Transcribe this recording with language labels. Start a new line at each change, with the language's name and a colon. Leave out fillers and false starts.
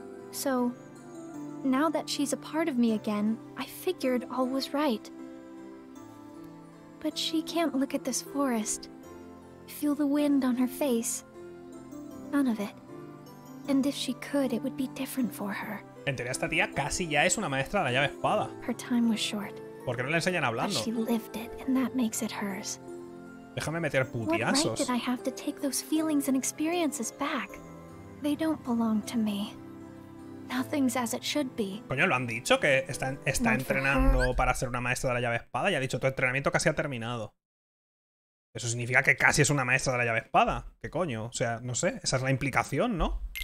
English: So, now that she's a part of me again, I figured all was right. But she can't look at this forest, feel the wind on her face, none of it. And if she could, it would be different for her.
Spanish: En teoría, esta tía casi ya es una maestra de la llave espada.
English: Her time was short.
Spanish: ¿Por qué no le enseñan hablando?
English: But she lived it, and that makes it hers.
Spanish: Déjame meter putiazos.
English: What right did I have to take those feelings and experiences back? They don't belong to me. Nothing's as it should be.
Spanish: Coño, lo han dicho que está entrenando para ser una maestra de la llave espada y ha dicho tu entrenamiento casi ha terminado. Eso significa que casi es una maestra de la llave espada. ¿Qué coño? O sea, no sé, esa es la implicación, ¿no?